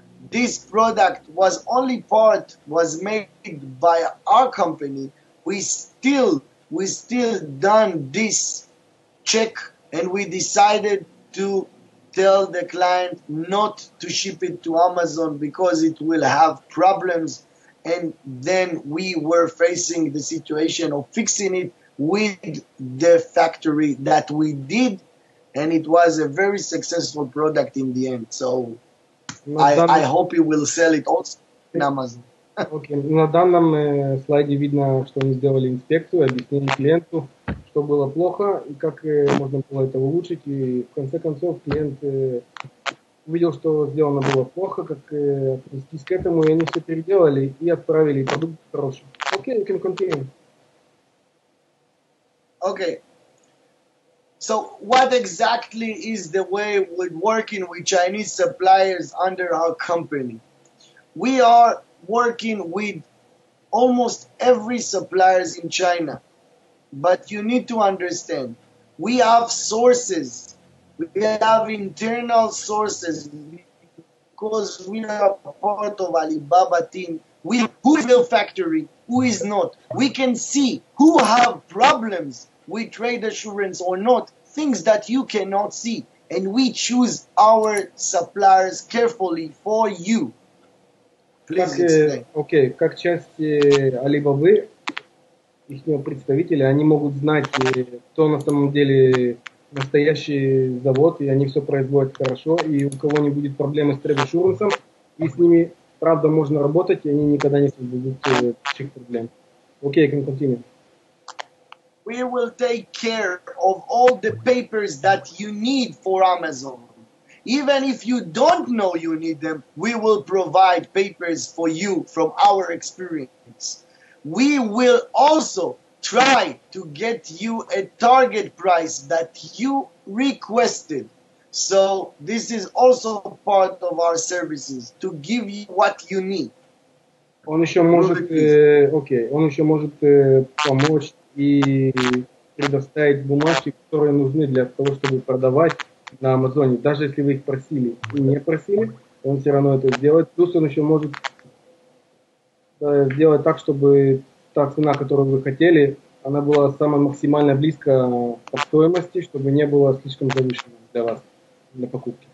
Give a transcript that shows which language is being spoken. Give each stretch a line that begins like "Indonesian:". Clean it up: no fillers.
English: this product was only part was made by our company, we still done this check, and we decided to tell the client not to ship it to Amazon because it will have problems, and then we were facing the situation of fixing it with the factory that we did. And it was a very successful product in the end. So I hope you will sell it also on Amazon. Okay.
Russian: На данном слайде видно, что они сделали инспекцию, объяснили клиенту, что было плохо и как можно было это улучшить. И в конце концов клиент увидел, что сделано было плохо, как отнестись к этому, и они все переделали и отправили продукт хороший.
English: Okay, you can continue. Okay. So what exactly is the way with working with Chinese suppliers under our company? We are working with almost every suppliers in China. But you need to understand, we have sources. We have internal sources because we are part of Alibaba team. We who is the factory, who is not. We can see who have problems with trade assurance or not. Things that you cannot see, and we choose our suppliers carefully for you. Please explain.
Russian: Okay, как часть Alibaba, их представители, они могут знать, кто на самом деле настоящий завод, и они все производят хорошо, и у кого не будет проблемы с trade assurance, и с ними, правда, можно работать, и они никогда не создадут таких проблем.
English: Okay, can continue. We will take care of all the papers that you need for Amazon. Even if you don't know you need them, we will provide papers for you from our experience. We will also try to get you a target price that you requested. So this is also part of our services, to give you what you need.
Russian: Он еще может, он еще может помочь и предоставить бумажки, которые нужны для того, чтобы продавать на Амазоне. Даже если вы их просили и не просили, он все равно это сделает. Плюс он еще может сделать так, чтобы та цена, которую вы хотели, она была самая максимально близко по стоимости, чтобы не было слишком завышенной для вас для покупки.